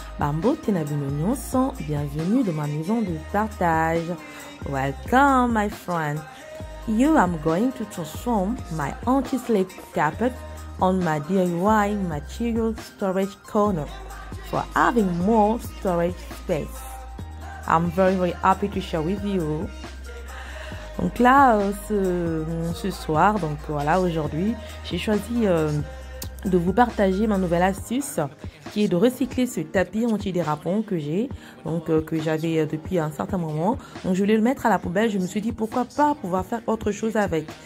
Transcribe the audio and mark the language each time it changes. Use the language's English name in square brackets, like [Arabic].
[French] Bambo Tenabino Nyonson, bienvenue dans ma maison de partage. [English] Welcome my friend. You, I'm going to transform my anti-slip carpet on my DIY material storage corner for having more storage space. I'm very, very happy to share with you. [French] Donc là, ce soir, donc voilà, aujourd'hui, j'ai choisi de vous partager ma nouvelle astuce qui est de recycler ce tapis antidérapant que j'ai, donc que j'avais depuis un certain moment. Donc je voulais le mettre à la poubelle, je me suis dit pourquoi pas pouvoir faire autre chose avec.